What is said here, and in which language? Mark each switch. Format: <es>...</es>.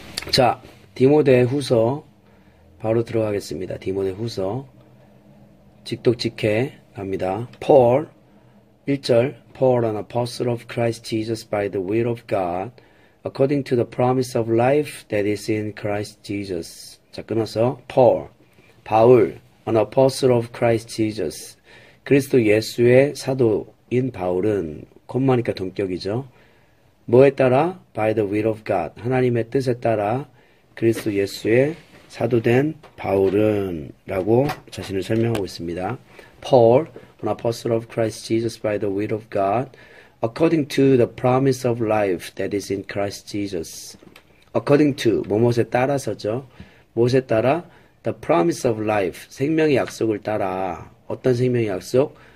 <ko>자, 디모데후서 바로 들어가겠습니다. 디모데후서 직독직해 갑니다.</ko> <en>Paul 1절 Paul, an apostle of Christ Jesus by the will of God, according to the promise of life that is in Christ Jesus.</en> <ko>자, 끊어서 Paul, 바울,</ko> <en>an apostle of Christ Jesus,</en> <ko>그리스도 예수의 사도인 바울은 콤마니까 동격이죠. 뭐에 따라?</ko> <en>By the will of God.</en> <ko>하나님의 뜻에 따라 그리스도 예수의 사도된 바울은 라고 자신을 설명하고 있습니다.</ko> <en>Paul, an apostle of Christ Jesus by the will of God, according to the promise of life that is in Christ Jesus. According to,</en> <ko>무엇에 따라서죠? 무엇에 따라?</ko> <en>The promise of life,</en> <ko>생명의 약속을 따라. 어떤 생명의 약속?</ko>